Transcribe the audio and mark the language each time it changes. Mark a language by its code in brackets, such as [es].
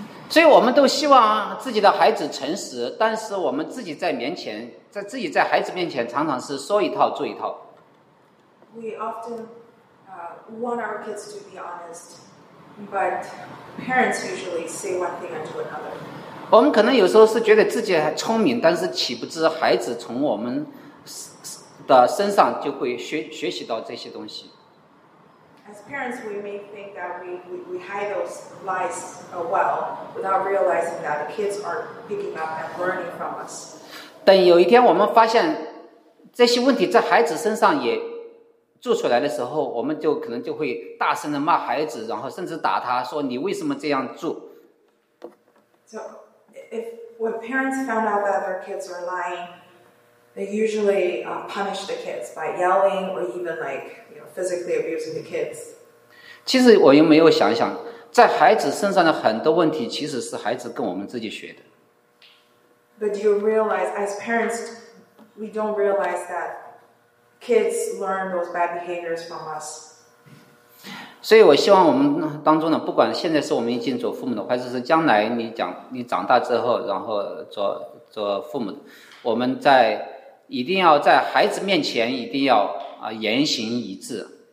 [zh] 所以我们都希望自己的孩子诚实，但是我们自己在面前，在自己在孩子面前常常是说一套做一套。 [en] We often want our kids to be honest, but parents usually say one thing and do another. [zh] 我们可能有时候是觉得自己很聪明，但是岂不知孩子从我们的身上就会学习到这些东西。 [en] As parents, we may think that we hide those lies well without realizing that the kids are picking up and learning from us. [zh] 等有一天我们发现这些问题在孩子身上也做出来的时候，我们就可能就会大声的骂孩子，然后甚至打他说你为什么这样做。 [en] So, when parents found out that their kids are lying,They usually punish the kids by yelling or even physically abusing the kids. [zh] 其实我又没有想想，在孩子身上的很多问题，其实是孩子跟我们自己学的。 [en] But do you realize, as parents, we don't realize that kids learn those bad behaviors from us. [zh] 所以我希望我们当中呢，不管现在是我们已经做父母的，或者是将来你长大之后，然后做父母的，我们在。一定要在孩子面前一定要言行一致。